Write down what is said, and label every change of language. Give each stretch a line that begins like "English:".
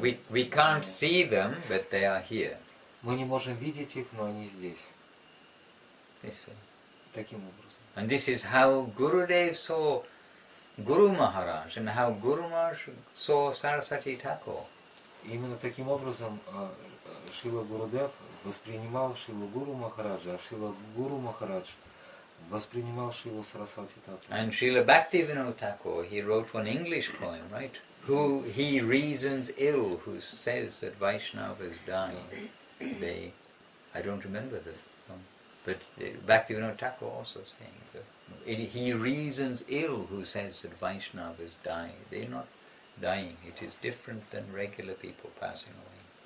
English: Well, we can't see them, but they are here.
Russian: Мы не можем видеть их, но они здесь.
English: This way.
Russian: Таким образом.
English: And this is how Gurudev saw Guru Maharaj, and how Guru Maharaj saw Sarasvati Thakur.
Russian: Именно таким образом Шрила Гурудев воспринимал Шрилу Гуру Махараджа, а Шрила Гуру Махарадж воспринимал Шрилу Сарасвати Тату.
English: And Srila Bhaktivinoda Thakur, he wrote one English poem, right? Who he reasons ill, who says that Vaishnavas die. They, I don't remember the song, but Bhaktivinoda Thakur also saying that he reasons ill who says that Vaishnavas die. They're not dying. It is different than regular people passing away.